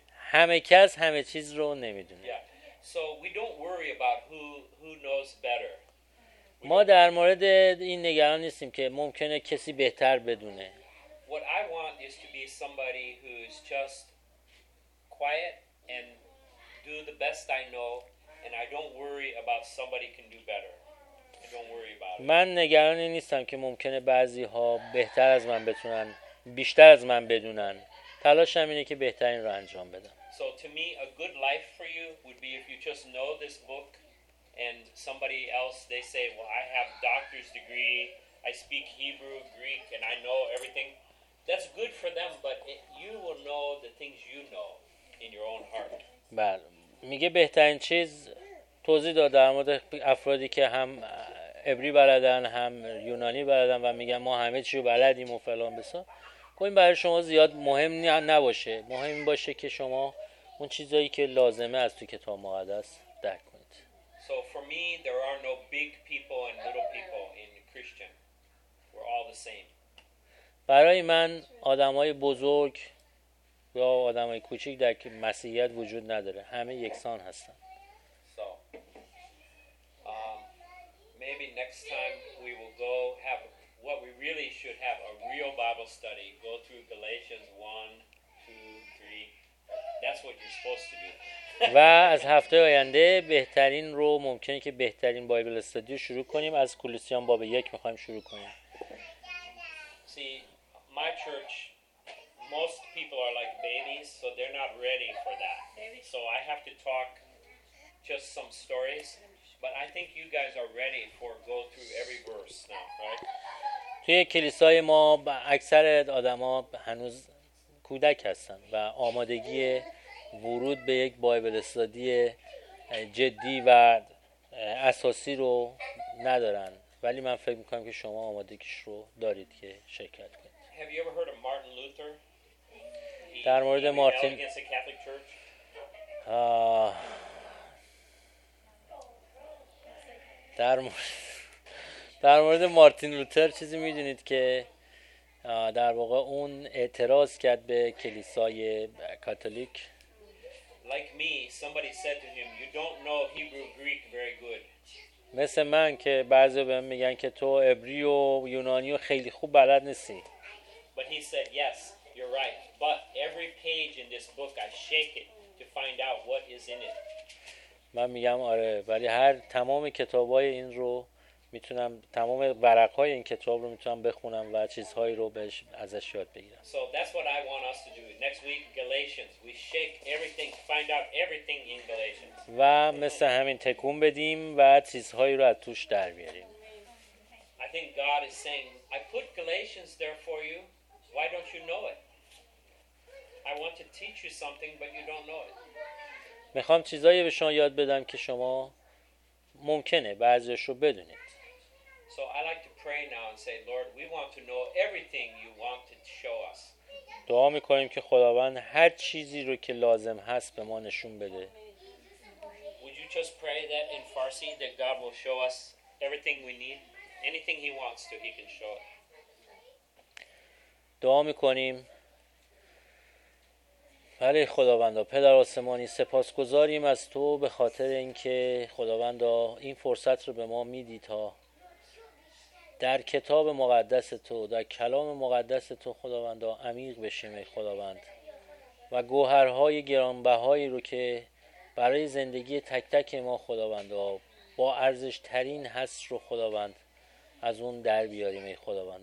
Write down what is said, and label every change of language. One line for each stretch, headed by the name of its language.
Persian: همه کس همه چیز رو نمیدونه.
English: Yeah. So we don't worry about who knows better.
Persian: ما در مورد این نگران نیستیم که ممکنه کسی بهتر بدونه.
English: What I want is to be somebody who's just quiet and do the best I know, and I don't worry about somebody can do better. I don't worry about it.
Persian: من نگران این نیستم که ممکنه بعضی ها بهتر از من بتونن، بیشتر از من بدونن. تلاشم اینه که بهترین رو انجام بدم.
English: So to me, a good life for you would be if you just know this book. And somebody else, they say, well, I have a doctor's degree, I speak Hebrew, Greek, and I know everything. That's good for them, but you will know the things you know in your own heart.
Persian: بله. میگه بهترین چیز، توضیح داد در مورد افرادی که هم عبری بلدن، هم یونانی بلدن و میگن ما همه چیو بلدیم و فلان بسا. این برای شما زیاد مهم نباشه. مهم باشه که شما اون چیزایی که لازمه از تو کتاب مقدس درک کنید.
English: So for me, there are no big people and little people in Christian. We're all the same.
Persian: برای من آدمای بزرگ یا آدمای کوچک در مسیحیت وجود نداره. همه یکسان هستن.
English: So, maybe next time we will go have what we really should have a real Bible study. Go through Galatians 1, 2, 3. That's what you're supposed to do.
Persian: و از هفته آینده بهترین رو ممکنه که بهترین بایبل استادی رو شروع کنیم. از کولوسیان باب 1 میخوایم شروع کنیم.
English: See, my church, most people are like babies, so they're not ready for that. So I have to talk just some stories, but I think you guys are ready for go through every verse now, right?
Persian: توی کلیسای ما اکثر آدما هنوز کودک هستن و آمادگی ورود به یک بایبل استادی جدی و اساسی رو ندارن، ولی من فکر میکنم که شما آمادگیش رو دارید که شرکت کنید.
English: Have you ever heard of Martin Luther?
Persian: در مورد مارتین در مورد مارتین لوتر چیزی میدونید که در واقع اون اعتراض کرد به کلیسای کاتولیک؟
English: Like me, somebody said to him, "You don't know Hebrew Greek very good."
Persian: مثل من که بعضی به من میگن که تو عبری و یونانی و خیلی خوب بلد نیستی.
English: But he said, "Yes, you're right. But every page in this book, I shake it to find out what is in it."
Persian: من میگم آره، ولی هر تمام کتابای این رو میتونم، تمام ورقهای این کتاب رو میتونم بخونم و چیزهایی رو بهش ازش یاد بگیرم.
English: So that's what I want us to do. Next week, Galatians. We shake everything, find out everything in Galatians.
Persian: و مثل همین تکون بدیم و چیزهایی رو از توش در بیاریم.
English: I think God is saying, I put Galatians there for you. Why don't you know it? I want to teach you something, but you don't know it.
Persian: میخوام چیزهایی به شما یاد بدم که شما ممکنه بعضیش رو بدونید.
English: So I like to pray now and say, Lord, we want to know everything you want to show us.
Persian: دعا می‌کنیم که خداوند هر چیزی رو که لازم هست به ما نشون بده.
English: Would you just pray that in Farsi that God will show us everything we need, anything he wants to, he can show it.
Persian: دعا می‌کنیم. برای خداوند و پدر آسمانی سپاسگزاریم از تو به خاطر اینکه خداوند این فرصت رو به ما میدی تا در کتاب مقدس تو، در کلام مقدس تو خداوند عمیق بشیم ای خداوند، و گوهرهای گرانبهایی رو که برای زندگی تک تک ما خداوند با ارزش ترین هست رو خداوند از اون در بیاریم ای خداوند.